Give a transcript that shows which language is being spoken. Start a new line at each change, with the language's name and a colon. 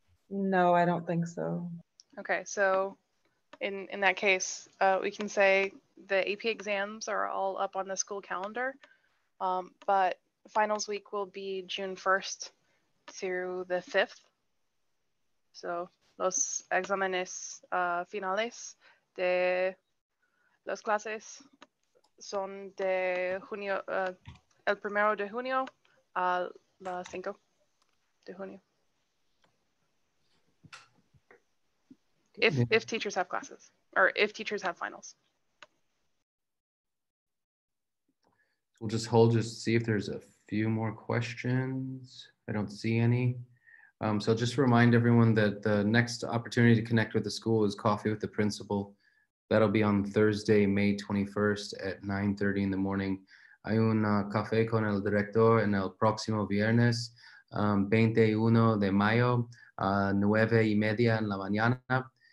English: No, I don't think so. Okay, so in that case, we can say the AP exams are all up on the school calendar, but finals week will be June 1st through the 5th.
Spanish: So los exámenes finales de las clases son de junio, el primero de junio a la cinco de junio.
English: If teachers have classes, or if teachers have finals. We'll just hold, just see if there's a few more questions. I don't see any. So I'll just remind everyone that the next opportunity to connect with the school is Coffee with the Principal. That'll be on Thursday, May 21st at 9:30 in the morning.
Spanish: Hay un café con el director en el próximo viernes, 21 de mayo, 9:30 en la mañana.